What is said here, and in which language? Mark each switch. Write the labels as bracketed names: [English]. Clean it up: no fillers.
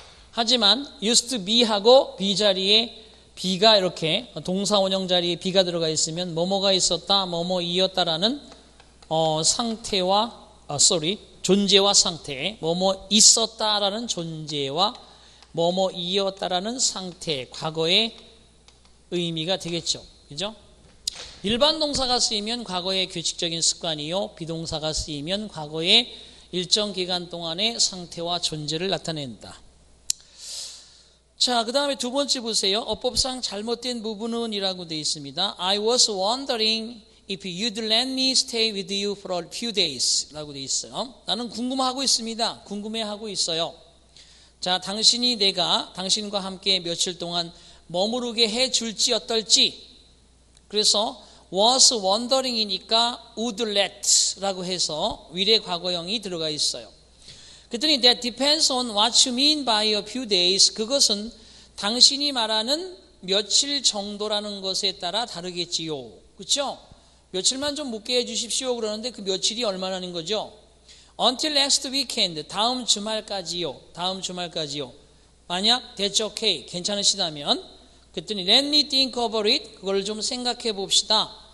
[Korean] 하지만 used be하고 be 자리에 be가 이렇게 동사 원형 자리에 be가 들어가 있으면 뭐뭐가 있었다 뭐뭐이었다라는 상태와 존재와 상태, 뭐뭐 있었다라는 존재와 뭐뭐 이었다라는 상태, 과거의 의미가 되겠죠. 그죠? 일반 동사가 쓰이면 과거의 규칙적인 습관이요. 비동사가 쓰이면 과거의 일정 기간 동안의 상태와 존재를 나타낸다. 자, 그 다음에 두 번째 보세요. 어법상 잘못된 부분은 이라고 되어 있습니다. [English] I was wondering if you'd let me stay with you for a few days [Korean] 라고 되어 있어요. 나는 궁금하고 있습니다. 궁금해하고 있어요. 자, 당신이 내가 당신과 함께 며칠 동안 머무르게 해줄지 어떨지. 그래서 was wondering이니까 would let라고 해서 미래 과거형이 들어가 있어요. 그랬더니 [English] that depends on what you mean by a few days. [Korean] 그것은 당신이 말하는 며칠 정도라는 것에 따라 다르겠지요. 그렇죠? 며칠만 좀 묻게 해주십시오 그러는데 그 며칠이 얼마라는 거죠? [English] Until next weekend, [Korean] 다음 주말까지요. 다음 주말까지요. 만약 [English] that's okay, [Korean] 괜찮으시다면 그랬더니 [English] let me think about it, [Korean] 그걸 좀 생각해 봅시다.